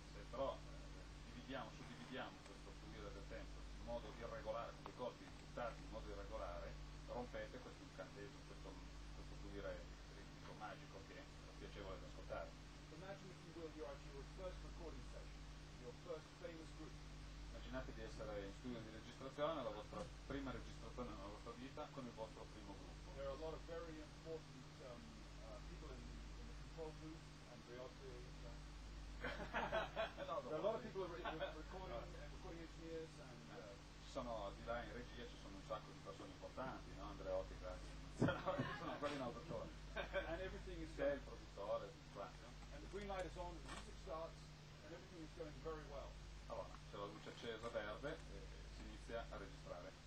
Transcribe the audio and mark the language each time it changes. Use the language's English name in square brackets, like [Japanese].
[Italian] Se però dividiamo, suddividiamo questo fluire del tempo in modo irregolare, con dei colpi buttati in modo irregolare, rompete questo incantesimo, questo fluire ritmico magico che è piacevole da ascoltare. [English] Imagine, if you will, you are at your first recording session, your first famous group. [Italian] Immaginate di essere in studio di registrazione, la vostra prima registrazione nella vostra vita, con il vostro primo gruppo. [English] There are a lot of very important people in the control booth, Andreotti, there are a lot of people recording engineers, and [Italian] ci sono di là in regia, ci sono un sacco di persone importanti, no? Andreotti, grazie. Sono quelli in autotone. [English] And everything is good. [Italian] Il produttore, [English] and the green light is on, the music starts, and everything is going very well. [Italian] Allora, c'è la luce accesa verde e si inizia a registrare.